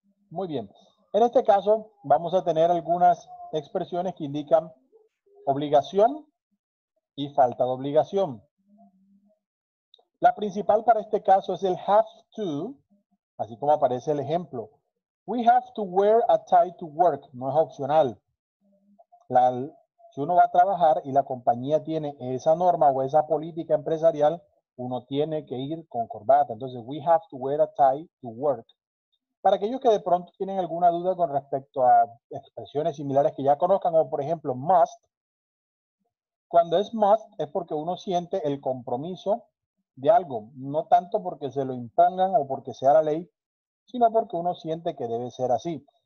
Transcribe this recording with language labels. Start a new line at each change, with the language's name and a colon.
Spanish: Muy bien. En este caso, vamos a tener algunas expresiones que indican obligación y falta de obligación. La principal para este caso es el have to, así como aparece el ejemplo.
English: We have to wear a tie to work.
Spanish: No es opcional. Si uno va a trabajar y la compañía tiene esa norma o esa política empresarial, uno tiene que ir con corbata. Entonces,
English: we have to wear a tie to work.
Spanish: Para aquellos que de pronto tienen alguna duda con respecto a expresiones similares que ya conozcan, como por ejemplo, must. Cuando es must, es porque uno siente el compromiso de algo. No tanto porque se lo impongan o porque sea la ley, sino porque uno siente que debe ser así.